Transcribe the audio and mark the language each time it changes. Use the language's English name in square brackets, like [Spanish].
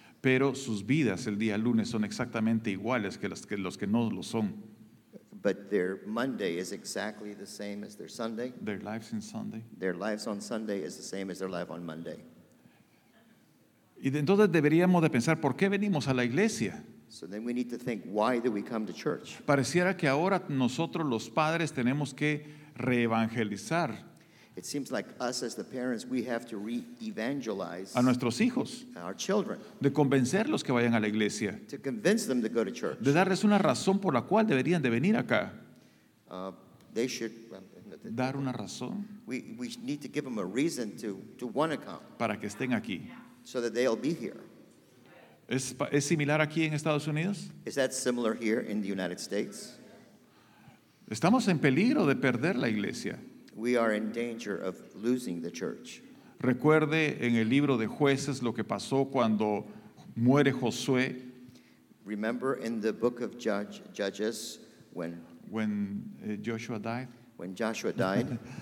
[Spanish] Pero sus vidas el día lunes son exactamente iguales que los que no lo son. [English] But their Monday is exactly the same as their Sunday. Their lives in Sunday. Their lives on Sunday is the same as their life on Monday. [Spanish] Y entonces deberíamos de pensar por qué venimos a la iglesia. [English] So then we need to think, why do we come to church? [Spanish] Pareciera que ahora nosotros los padres tenemos que reevangelizar. [English] It seems like us as the parents, we have to re-evangelize [Spanish] a nuestros hijos, [English] our children, [Spanish] de convencerlos que vayan a la iglesia, [English] to convince them to go to church, [Spanish] de darles una razón por la cual deberían de venir acá. [English] They should [Spanish] dar una razón. [English] We need to give them a reason to want to come, [Spanish] para que estén aquí, [English] so that they'll be here. [Spanish] ¿Es similar aquí en Estados Unidos? [English] Is that similar here in the United States? [Spanish] Estamos en peligro de perder la iglesia. [English] We are in danger of losing the church. [Spanish] Recuerde en el libro de Jueces lo que pasó cuando muere Josué. [English] Remember in the book of Judges when Joshua died. When Joshua died.